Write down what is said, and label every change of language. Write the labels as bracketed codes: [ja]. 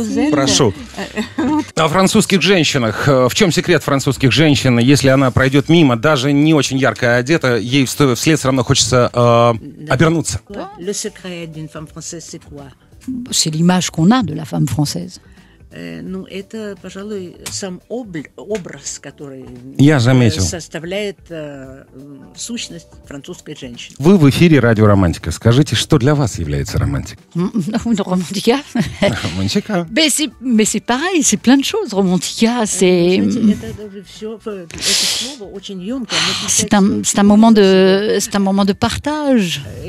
[ru] Прошу. О французских женщинах. В чем секрет французских женщин? Если она пройдет мимо, даже не очень ярко одета, ей вслед все равно хочется обернуться. [fr] Le secret d'une femme française, c'est quoi? C'est l'image qu'on a de la femme française. [ru] Ну, это, пожалуй, сам образ, который я заметил. Составляет сущность французской женщины. Вы в эфире «Радио Романтика». Скажите, что для вас является романтикой? Романтика? Романтика. [fr] Mais c'est pareil, c'est plein de choses, романтика. [ru] Это слово очень ёмкое. [fr] C'est un moment de partage.